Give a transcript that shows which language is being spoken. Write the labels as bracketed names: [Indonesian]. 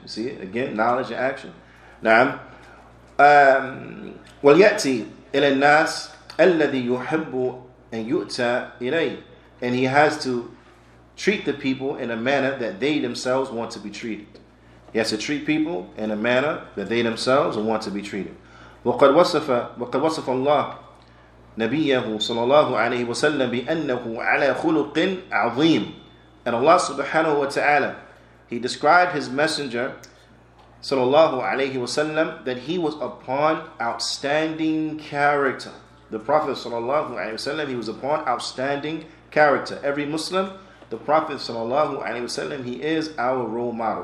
[English] You see it again, knowledge and action. Na'am. Well, [Arabic] yati ila nas alladhi yuhibbu an yu'ta ilayhi. [English] And he has to treat the people in a manner that they themselves want to be treated. He has to treat people in a manner that they themselves want to be treated. [Arabic] وقد وصف الله نبيه صلى الله عليه وسلم بأنه على خلق عظيم. [English] And Allah subhanahu wa ta'ala, he described his messenger, sallallahu alayhi wa sallam, that he was upon outstanding character. The Prophet sallallahu alayhi wa sallam, he was upon outstanding character. Every Muslim, the Prophet sallallahu alayhi wa sallam, he is our role model.